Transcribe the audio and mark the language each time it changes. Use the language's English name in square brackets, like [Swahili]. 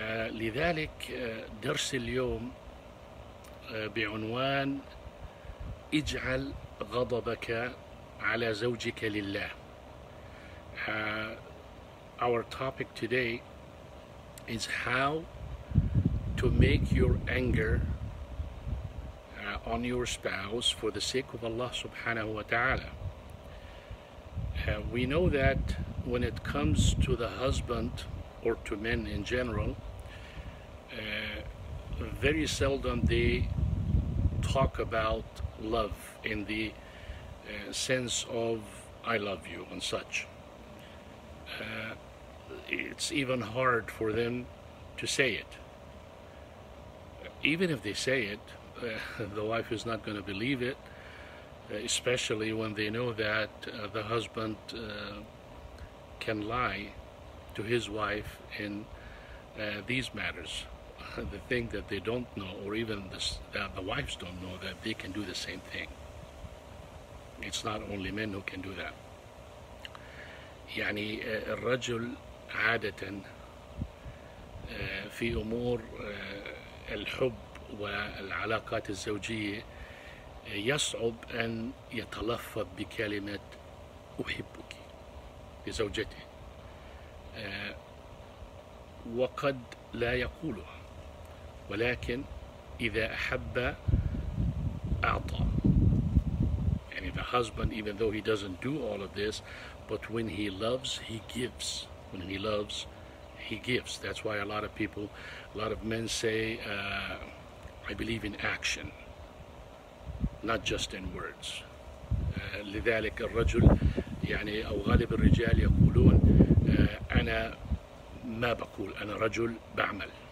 [Arabic] لذلك درس اليوم بعنوان اجعل غضبك على زوجك لله. [English] Our topic today is how to make your anger on your spouse for the sake of Allah subhanahu wa ta'ala. We know that when it comes to the husband or to men in general, very seldom they talk about love in the sense of I love you and such. It's even hard for them to say it. Even if they say it, the wife is not going to believe it, especially when they know that the husband can lie to his wife in these matters. The thing that they don't know, or even that the wives don't know, that they can do the same thing. It's not only men who can do that. [Arabic] يعني الرجل عادة في أمور الحب والعلاقات الزوجية يصعب أن يتلفظ بكلمة أحبك لزوجته، وقد لا يقولها، ولكن إذا أحب أعطى. [English] Husband, even though he doesn't do all of this, but when he loves, he gives. When he loves, he gives. That's why a lot of men say, I believe in action, not just in words. [Arabic] لذلك الرجل يعني أو غالب الرجال يقولون أنا ما بقول، أنا رجل بعمل.